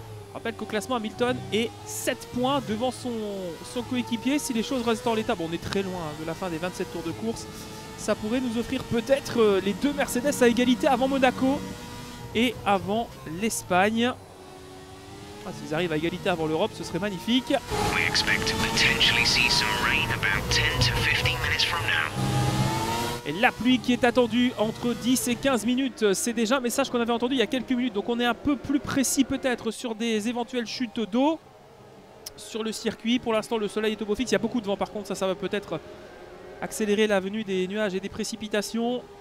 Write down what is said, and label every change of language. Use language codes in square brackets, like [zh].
[fr] On rappelle qu'au classement Hamilton est 7 points devant son coéquipier. Si les choses restent en l'état, bon, on est très loin de la fin des 27 tours de course, ça pourrait nous offrir peut-être les deux Mercedes à égalité avant Monaco et avant l'Espagne. Ah, s'ils arrivent à égalité avant l'Europe, ce serait magnifique. [en] We expect to potentially see some rain about 10 to 15 minutes from now. [fr] La pluie qui est attendue entre 10 et 15 minutes, c'est déjà un message qu'on avait entendu il y a quelques minutes. Donc on est un peu plus précis peut-être sur des éventuelles chutes d'eau sur le circuit. Pour l'instant, le soleil est au beau fixe. Il y a beaucoup de vent par contre, ça va peut-être accélérer la venue des nuages et des précipitations.